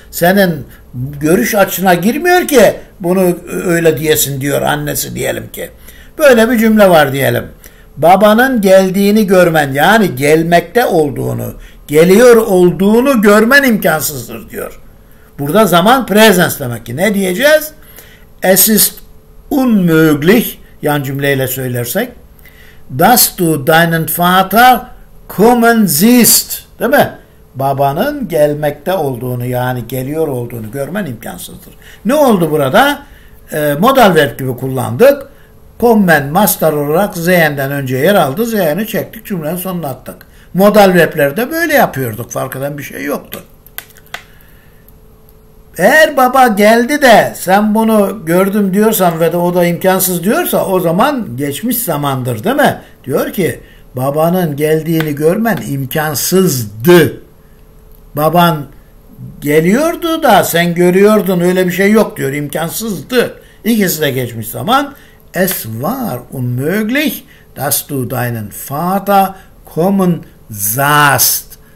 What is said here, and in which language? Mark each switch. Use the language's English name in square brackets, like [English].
[Turkish] Senin görüş açına girmiyor ki bunu öyle diyesin diyor annesi diyelim ki. Böyle bir cümle var diyelim. Babanın geldiğini görmen, yani gelmekte olduğunu, geliyor olduğunu görmen imkansızdır diyor. Burada zaman presens demek ki. Ne diyeceğiz? [German] Es ist unmöglich, [Turkish] yan cümleyle söylersek, [German] dass du deinen Vater kommen siehst. [Turkish] Değil mi? Babanın gelmekte olduğunu, yani geliyor olduğunu görmen imkansızdır. Ne oldu burada? Modal verb gibi kullandık. Kommen mastar olarak zehenden önce yer aldı. Zehen'i çektik, cümlenin sonuna attık. Modal verblerde böyle yapıyorduk. Fark eden bir şey yoktu. Eğer baba geldi de sen bunu gördüm diyorsan ve de o da imkansız diyorsa, o zaman geçmiş zamandır, değil mi? Diyor ki babanın geldiğini görmen imkansızdı. Baban geliyordu da sen görüyordun, öyle bir şey yok diyor. İmkansızdı. İkisi de geçmiş zaman. [German] Es war unmöglich, dass du deinen Vater kommen sahst.